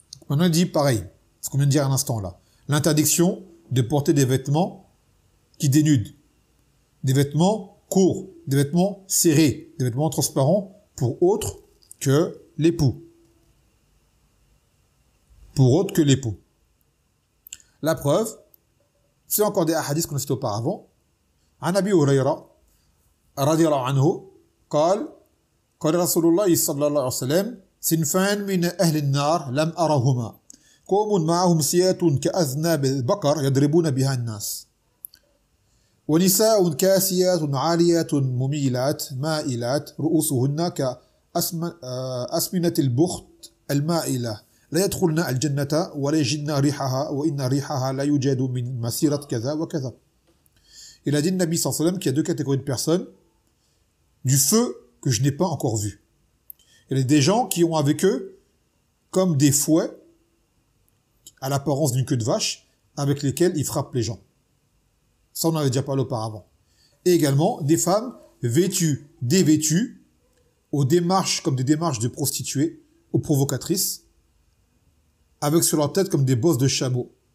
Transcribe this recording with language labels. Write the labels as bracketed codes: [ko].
[fr] On a dit pareil, ce qu'on vient de dire à l'instant là. L'interdiction de porter des vêtements qui dénudent. Des vêtements courts, des vêtements serrés, des vêtements transparents pour autre que l'époux. Pour autre que l'époux. La preuve, c'est encore des hadiths qu'on a cités auparavant. [ar] عن أبي هريرة رضي الله عنه قال قال رسول الله صلى الله عليه وسلم سنفان من أهل النار لم أرهما قوم معهم سيات كأذناب البقر يضربون بها الناس ونساء كاسيات عاليات مميلات مائلات رؤوسهن كأسمنة البخت المائلة لا يدخلن الجنة ولا يجدن ريحها وإن ريحها لا يوجد من مسيرة كذا وكذا. [fr] Il a dit [ar] النبي صلى الله عليه وسلم [fr] qu'il y a deux catégories de personnes, du feu que je n'ai pas encore vu. Il y a des gens qui ont avec eux comme des fouets à l'apparence d'une queue de vache avec lesquels ils frappent les gens. Ça, on avait déjà parlé auparavant. Et également, des femmes vêtues, dévêtues, aux démarches comme des démarches de prostituées, aux provocatrices, avec sur leur tête comme des bosses de chameau.